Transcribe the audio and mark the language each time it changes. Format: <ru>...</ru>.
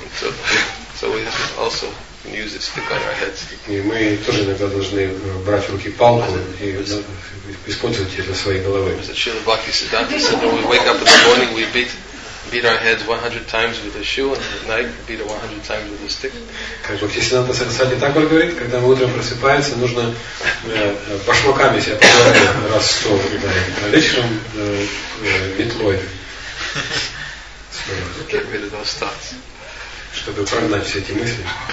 <en>So we have also use a stick on our heads.</en> <ru>И мы тоже иногда должны брать в руки палку и использовать ее для своей головы.</ru> <en>As Srila Bhakti Siddhanta said, when we wake up in the morning, we beat our heads 100 times with a shoe, and at night we beat it 100 times with a stick.</en> <ru>Как Бхакти Сиддханта Сарасвати Тхакур говорит, когда мы утром просыпаемся, нужно башмаками себя побить раз 100, а вечером метлой.</ru> <en>Get rid of those thoughts.</en> <ru>Чтобы прогнать все эти мысли.</ru>